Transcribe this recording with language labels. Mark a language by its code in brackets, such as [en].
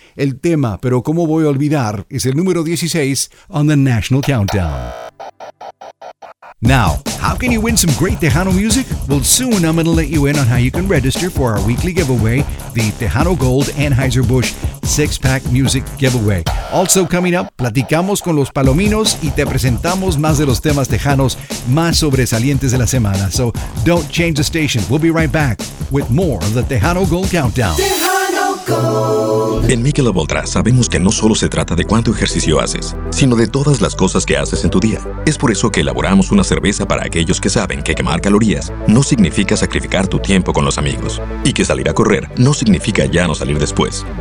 [es] El tema, Pero Cómo Voy a Olvidar, is el número 16 [en] on the National Countdown. Now, how can you win some great Tejano music? Well, soon I'm going to let you in on how you can register for our weekly giveaway, the Tejano Gold Anheuser-Busch 6-Pack Music Giveaway. Also coming up, [es] platicamos con los palominos y te presentamos más de los temas tejanos más sobresalientes de la semana. [en] So don't change the station. We'll be right back with more of the Tejano Gold Countdown. [es] En Michelob Ultra sabemos que no solo se trata de cuánto ejercicio haces, sino de todas las cosas que haces en tu día. Es por eso que elaboramos una cerveza para aquellos que saben que quemar calorías no significa sacrificar tu tiempo con los amigos, y que salir a correr no significa ya no salir después.